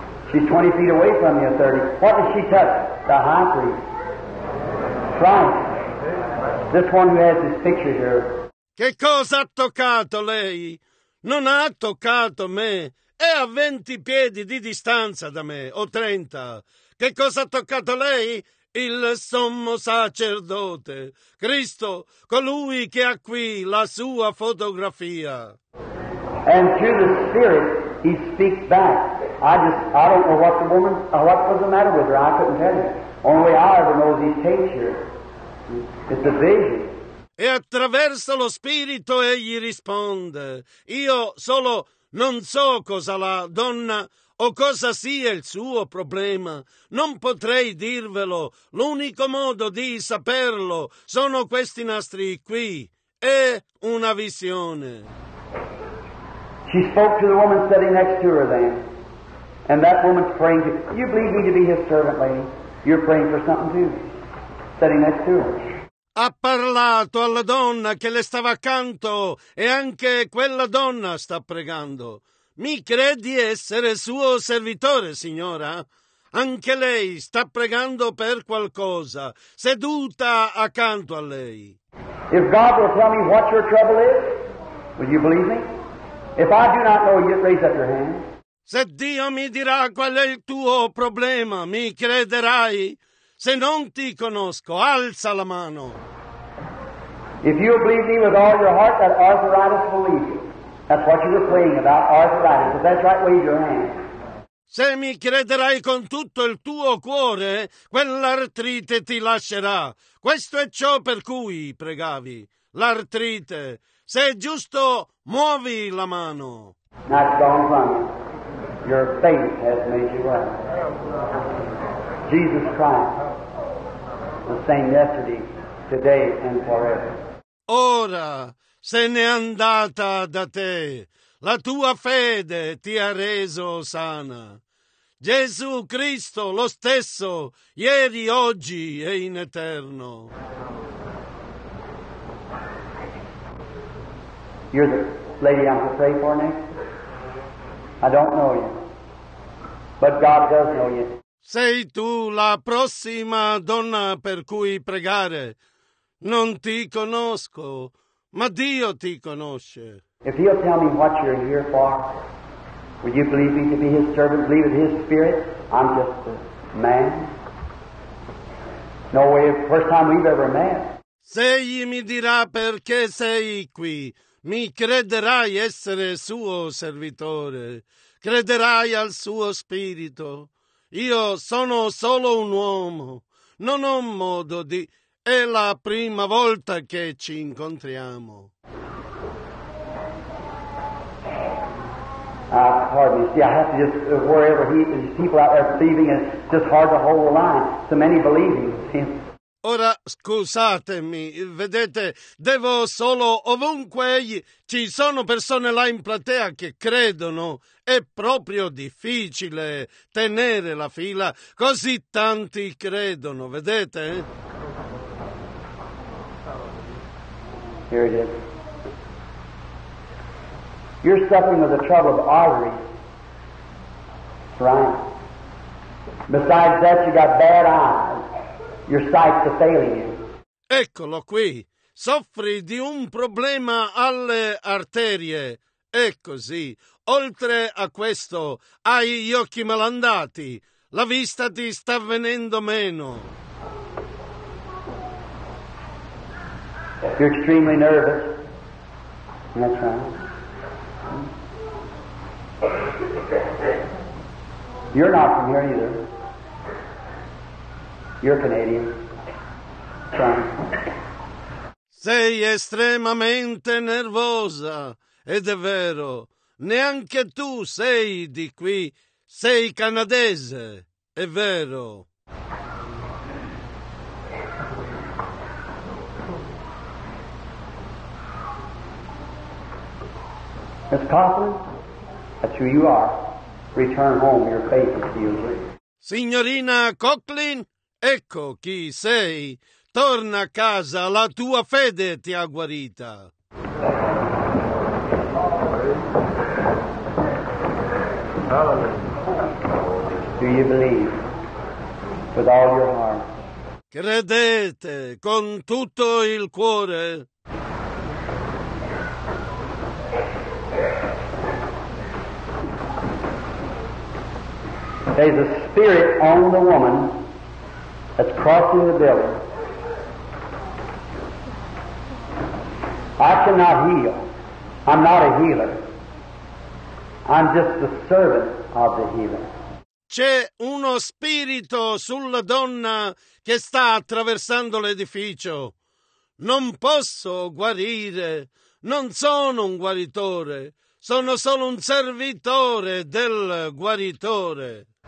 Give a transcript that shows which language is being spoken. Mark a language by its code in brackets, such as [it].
[en] She's 20 feet away from me at 30. What did she touch? The high priest. Christ. This one who has his picture here. [it] Che cosa ha toccato lei? Non ha toccato me. È a 20 piedi di distanza da me, o 30. Che cosa ha toccato lei? Il sommo sacerdote, Cristo, colui che ha qui la sua fotografia. [en] And to the spirit he speaks back. I don't know what the woman, what was the matter with her, I couldn't tell you. Only I ever know these tapes here. It's a vision. [it] E attraverso lo spirito egli risponde. Io solo non so cosa la donna o cosa sia il suo problema. Non potrei dirvelo. L'unico modo di saperlo sono questi nastri qui. È una visione. [en] She spoke to the woman sitting next to her then. And that woman's praying to, you believe me to be his servant, lady? You're praying for something too. Sitting next to her. [it] Ha parlato alla donna che le stava accanto e anche quella donna sta pregando. Mi credi essere suo servitore, signora? Anche lei sta pregando per qualcosa, seduta accanto a lei. [en] If God will tell me what your trouble is, will you believe me? If I do not know you, raise up your hand. [it] Se Dio mi dirà qual è il tuo problema, mi crederai? Se non ti conosco, alza la mano. [en] If you believe me with all your heart, that arthritis will leave you. That's what you were praying about, arthritis. If that's right, raise your hand. [it] Se mi crederai con tutto il tuo cuore, quell'artrite ti lascerà. Questo è ciò per cui pregavi. L'artrite. Se è giusto, muovi la mano. [en] That's gone from you. Your faith has made you well. Jesus Christ, the same yesterday, today and forever. [it] Ora se n'è andata da te. La tua fede ti ha reso sana. Gesù Cristo, lo stesso, ieri, oggi e in eterno. [en] You're the lady I'm to pray for, Nick? I don't know you, but God does know you. [it] Sei tu la prossima donna per cui pregare. Non ti conosco, ma Dio ti conosce. [en] If he'll tell me what you're here for, would you believe me to be his servant, believe in his spirit? I'm just a man. No way, first time we've ever met. [it] Se egli mi dirà perché sei qui, mi crederai essere suo servitore, crederai al suo spirito. Io sono solo un uomo, non ho modo di... È la prima volta che ci incontriamo. [en] Pardon me. See, I have to just wherever he is, people out there believing, it's just hard to hold the line. So many believing. [it] Ora, scusatemi. Vedete, devo solo ovunque egli. Ci sono persone là in platea che credono. È proprio difficile tenere la fila. Così tanti credono. Vedete? [en] Here it is. You're suffering with a trouble of arteries, right? Besides that, you got bad eyes. Your sight's failing you. [it] Eccolo qui. Soffri di un problema alle arterie. È così. Oltre a questo, hai gli occhi malandati. La vista ti sta venendo meno. [en] You're extremely nervous. That's right. You're not from here either. You're Canadian. Sorry. [it] Sei estremamente nervosa, ed è vero. Neanche tu sei di qui. Sei canadese, è vero. [en] Miss Coughlin, that's who you are. Return home, your faith is yours. [it] Signorina Coughlin, ecco chi sei. Torna a casa, la tua fede ti ha guarita. [en] Do you believe with all your heart? [it] Credete con tutto il cuore. [en] There's a spirit on the woman that's crossing the building. I cannot heal. I'm not a healer. I'm just the servant of the healer. [it] C'è uno spirito sulla donna che sta attraversando l'edificio. Non posso guarire. Non sono un guaritore. Sono solo un servitore del guaritore.